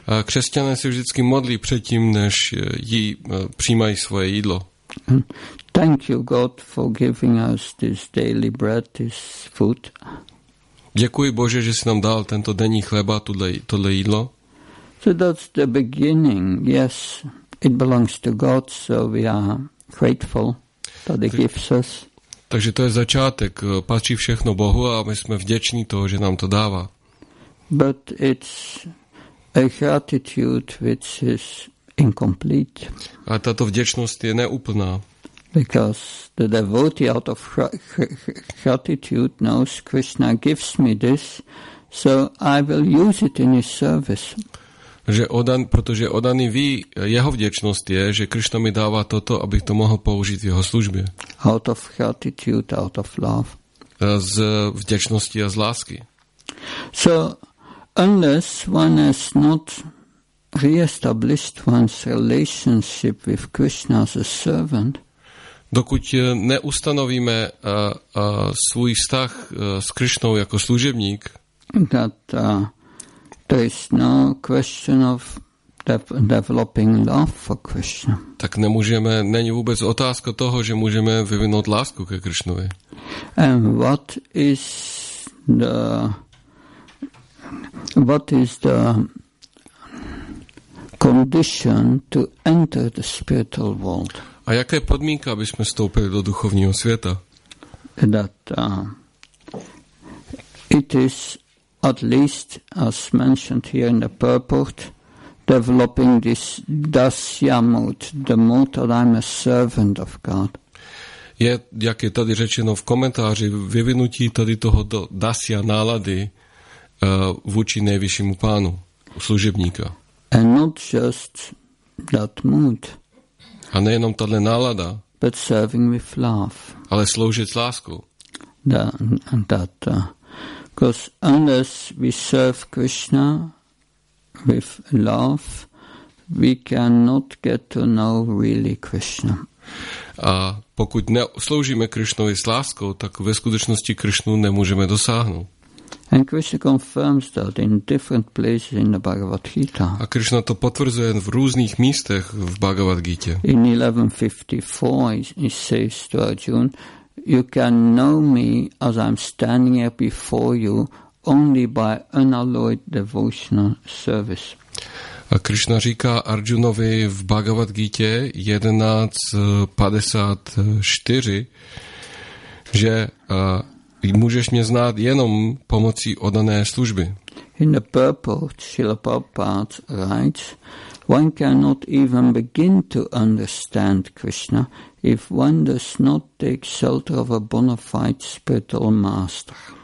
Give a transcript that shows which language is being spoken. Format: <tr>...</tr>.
<cs>Křesťané se vždycky modlí předtím, než přijímají svoje jídlo.</cs> <en>Thank you, God, for giving us this daily bread, this food.</en> <cs>Děkuji Bože, že jsi nám dal tento denní chleba, tohle jídlo.</cs> <en>So that's the beginning. Yes, it belongs to God, so we are grateful that He gives us.</en> <cs>Takže to je začátek. Patří všechno Bohu a my jsme vděční toho, že nám to dává.</cs> <en>But it's a gratitude which is incomplete.</en> <cs>A tato vděčnost je neúplná.</cs> <en>Because the devotee out of gratitude knows Krishna gives me this, so I will use it in his service.</en> <cs>Protože oddaný ví, jeho vděčnost je, že Krishna mi dává toto, abych to mohl použít v jeho službě.</cs> <en>Out of gratitude, out of love.</en> <cs>Z vděčnosti a z lásky.</cs> <en>So unless one has not reestablished one's relationship with Krishna as a servant,</en> <cs>dokud neustanovíme svůj vztah s Krišnou jako služebník,</cs> <en>that there is no question of developing love for Krishna.</en> <cs>Tak nemůžeme, není vůbec otázka toho, že můžeme vyvinout lásku ke Krišnovi.</cs> <en>And what is the condition to enter the spiritual world?</en> <cs>A jaká je podmínka, aby jsme vstoupili do duchovního světa?</cs> <en>That it is at least as mentioned here in the purport, developing this dasya mode, the mode that I'm a servant of God.</en> <cs>Je, jak je tady řečeno v komentáři, vyvinutí tady toho dasya nálady vůči nejvyššímu pánu, služebníka.</cs> <en>And not just that mood.</en> <cs>A nejenom tato nálada,</cs> <en>but serving with love.</en> <cs>Ale sloužit s láskou.</cs> <en>Because unless we serve Krishna with love, we cannot get to know really Krishna.</en> <cs>A pokud sloužíme Krishnovi s láskou, tak ve skutečnosti Krishnu nemůžeme dosáhnout.</cs> <en>And Krishna confirms that in different places in the Bhagavad Gita.</en> <cs>A Krishna to potvrzuje v různých místech v Bhagavad Gita.</cs> <en>In 11:54 he says to Arjuna, you can know me as I'm standing here before you only by unalloyed devotional service.</en> <cs>A Krishna říká Arjunovi v Bhagavad Gita 11:54, že můžeš mě znát jenom pomocí oddané služby.</cs> <en>In the purport, Srila Prabhupada writes, one cannot even begin to understand Krishna if one does not take shelter of a bona fide spiritual master.</en>